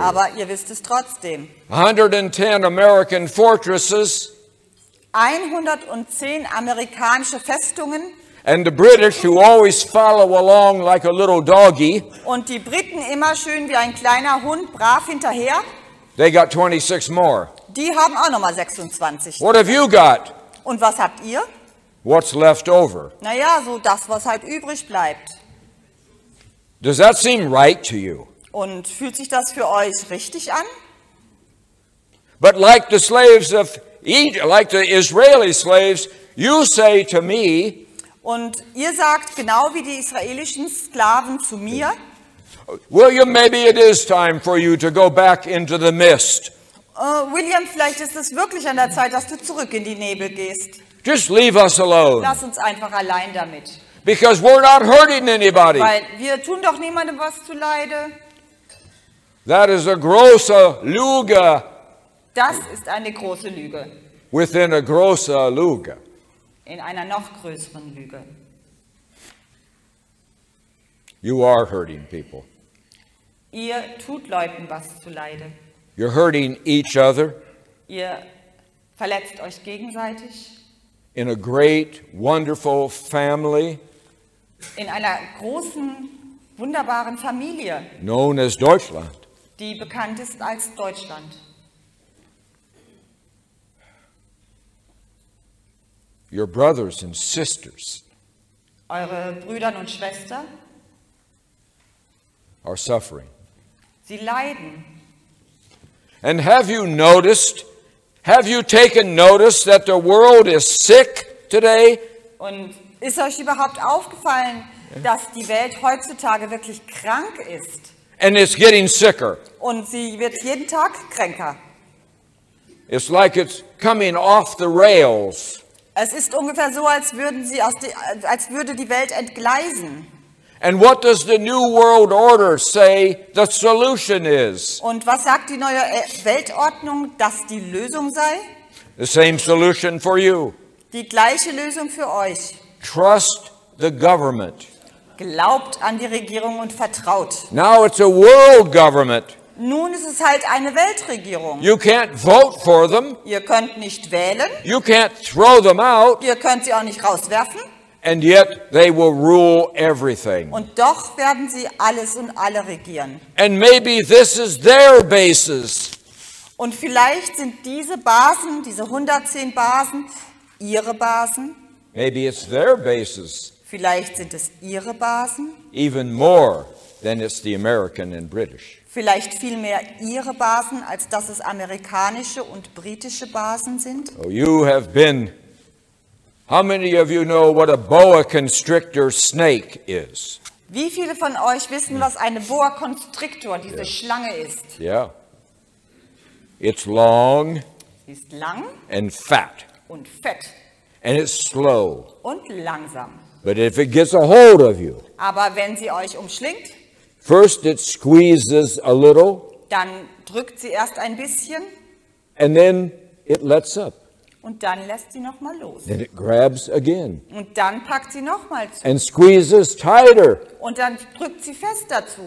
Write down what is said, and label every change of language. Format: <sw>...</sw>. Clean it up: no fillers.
<de>Aber ihr wisst es trotzdem.</de> <en>110 American fortresses.</en> <de>110 amerikanische Festungen.</de> <en>And the British, who always follow along like a little doggy.</en> <de>Und die Briten immer schön wie ein kleiner Hund brav hinterher.</de> <en>They got 26 more.</en> <de>Die haben auch noch mal 26.</de> <en>What have you got?</en> <de>Und was habt ihr?</de> <en>What's left over?</en> <de>Naja, so das, was halt übrig bleibt.</de> <en>Does that seem right to you?</en> <de>Und fühlt sich das für euch richtig an?</de> <en>But like the slaves of Egypt, like the Israeli slaves, you say to me.</en> <de>Und ihr sagt genau wie die israelischen Sklaven zu mir.</de> <en>William, maybe it is time for you to go back into the mist.</en> <de>William, vielleicht ist es wirklich an der Zeit, dass du zurück in die Nebel gehst.</de> <en>Just leave us alone.</en> <de>Lass uns einfach allein damit.</de> <en>Because we're not hurting anybody.</en> <de>Weil wir tun doch niemandem was zu leide.</de> <en>That is a</en> <de>große Lüge. Das ist eine große Lüge.</de> <en>Within a</en> <de>große Lüge. In einer noch größeren Lüge.</de> <en>You are hurting people.</en> <de>Ihr tut Leuten was zu leide.</de> <en>You're hurting each other.</en> <de>Ihr verletzt euch gegenseitig.</de> <en>In a great, wonderful family.</en> <de>In einer großen, wunderbaren Familie.</de> <en>Known as Deutschland.</en> <de>Die bekannt ist als Deutschland.</de> <en>Your brothers and sisters.</en> <de>Eure Brüder und Schwestern.</de> <en>Are suffering.</en> <de>Sie leiden.</de> <en>And have you noticed? Have you taken notice that the world is sick today?</en> <de>Und ist euch überhaupt aufgefallen, dass die Welt heutzutage wirklich krank ist?</de> <en>And it's getting sicker.</en> <de>Und sie wird jeden Tag kränker.</de> <en>It's like it's coming off the rails.</en> <de>Es ist ungefähr so, als würden sie aus die, als würde die Welt entgleisen.</de> <en>And what does the new world order say the solution is?</en> <de>Und was sagt die neue Weltordnung, dass die Lösung sei?</de> <en>The same solution for you.</en> <de>Die gleiche Lösung für euch.</de> <en>Trust the government.</en> <de>Glaubt an die Regierung und vertraut.</de> <en>Now it's a world government.</en> <de>Nun ist es halt eine Weltregierung.</de> <en>You can't vote for them.</en> <de>Ihr könnt nicht wählen.</de> <en>You can't throw them out.</en> <de>Ihr könnt sie auch nicht rauswerfen.</de> <en>And yet they will rule everything.</en> <de>Und doch werden sie alles und alle regieren.</de> <en>And maybe this is their basis.</en> <de>Und vielleicht sind diese Basen, diese 110 Basen, ihre Basen.</de> <en>Maybe it's their basis.</en> <de>Vielleicht sind es ihre Basen.</de> <en>Even more than it's the American and British.</en> <de>Vielleicht viel mehr ihre Basen, als dass es amerikanische und britische Basen sind.</de> <en>Oh, you have been. How many of you know what a boa constrictor snake is?</en> <de>Wie viele von euch wissen, was eine Boa Constrictor, diese yes. Schlange ist?</de> <en>Yeah. It's long.</en> <de>Ist lang.</de> <en>And fat.</en> <de>Und fett.</de> <en>And it's slow.</en> <de>Und langsam.</de> <en>But if it gets a hold of you.</en> <de>Aber wenn sie euch umschlingt.</de> <en>First it squeezes a little.</en> <de>Dann drückt sie erst ein bisschen.</de> <en>And then it lets up.</en> <de>Und dann lässt sie noch mal los.</de> <en>Then it grabs again.</en> <de>Und dann packt sie noch mal zu.</de> <en>And squeezes tighter.</en> <de>Und dann drückt sie fest dazu.</de>